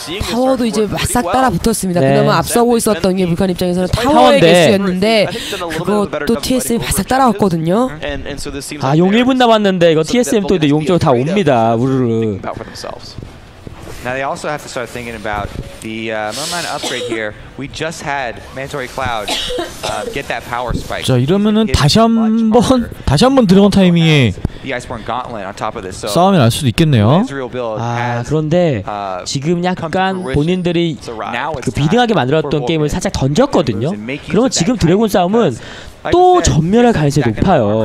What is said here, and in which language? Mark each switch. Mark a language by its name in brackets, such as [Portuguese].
[Korean] 타워도 이제 막싹 따라붙었습니다. 네. 그나마 앞서고 있었던 게 불칸 입장에서는 타워의 개수였는데 그것도 TSM이 바싹 따라왔거든요. 아 용 1분 남았는데 이거 TSM 또 이제 용 쪽으로 다 옵니다. 우르르. [English] Now they also have to start thinking about the Moonlight upgrade here. We just had Mandatory Cloud get that power spike. [Korean] 자 이러면은 다시 한번 드래곤 타이밍에 싸움이 날 수도 있겠네요. 아 그런데 지금 약간 본인들이 그 비등하게 만들었던 게임을 살짝 던졌거든요. 그러면 지금 드래곤 싸움은 또 전멸할 가능성이 높아요.